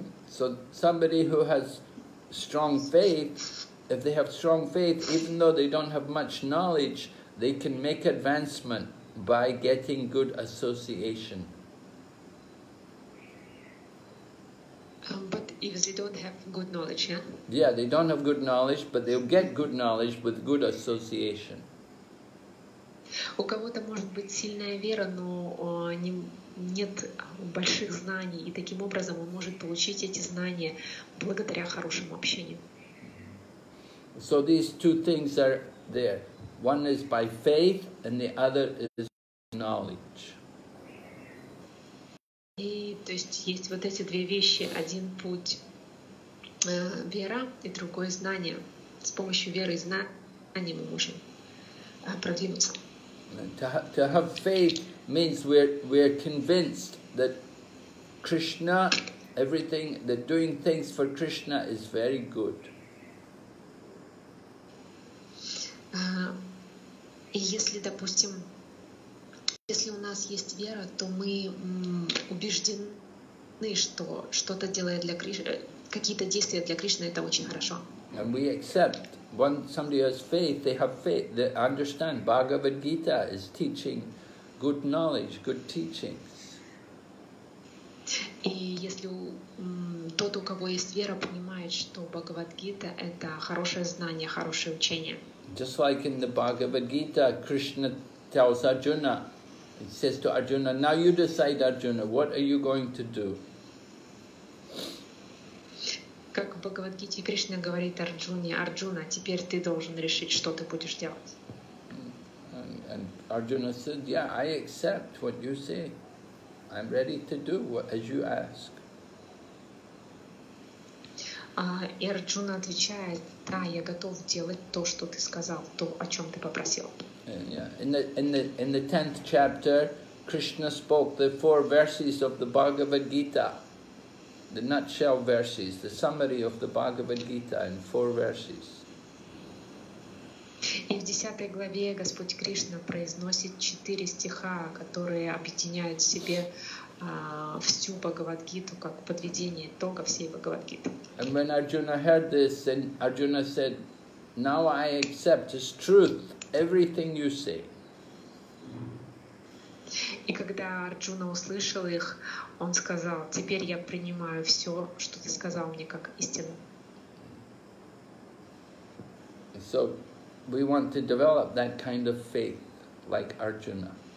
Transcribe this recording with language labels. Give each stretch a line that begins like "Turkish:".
English: So somebody who has strong faith, if they have strong faith, even though they don't have much knowledge, they can make advancement by getting good association. But if they don't have good knowledge, yeah? Yeah, they don't have good knowledge, but they'll get good knowledge with good association.
Russian: У кого-то может быть сильная вера, но нет больших знаний, и таким образом он может получить эти знания благодаря хорошему общению.
English: So these two things are there. One is by faith, and the other is knowledge.
Russian: И то есть есть вот эти две вещи, один путь вера и другое знание. С помощью веры и знания мы можем продвинуться.
English: To have faith means we're convinced that Krishna, everything, that doing things for Krishna is very good.
Russian: И если, допустим, если у нас есть вера, то мы убеждены, что что-то делает для Кришны, какие-то действия для Кришны — это очень хорошо.
English: And we accept. When somebody has faith, they have faith. They understand. Bhagavad Gita is teaching good knowledge, good teachings.
Russian: И если тот, у кого есть вера, понимает, что Бхагавад Гита — это хорошее знание, хорошее учение.
English: Just like in the Bhagavad Gita, Krishna tells Arjuna, he says to Arjuna, now you decide, Arjuna, what are you going to do?
Russian: Как в Бхагавад-гите Кришна говорит Арджуне, Арджуна, теперь ты должен решить, что ты будешь делать.
English: And Arjuna said, yeah, I accept what you say. I'm ready to do what, as you ask.
Russian: И Арджуна отвечает: да, я готов делать то, что ты сказал, то, о чем ты попросил.
English: In the 10th chapter, Krishna spoke the four verses of the Bhagavad Gita, the nutshell verses, the summary of the Bhagavad Gita in four verses.
Russian: И в 10 главе Господь Кришна произносит 4 стиха, которые объединяют в себе всю Бхагавад-гиту, как подведение итога всей Бхагавад-гиты.
English: And when Arjuna heard this, then Arjuna said, now I accept as truth everything you say.
Russian: И когда Арджуна услышал их, он сказал: теперь я принимаю все, что ты сказал мне, как истину.
English: So, we want to develop that kind of faith, like Arjuna.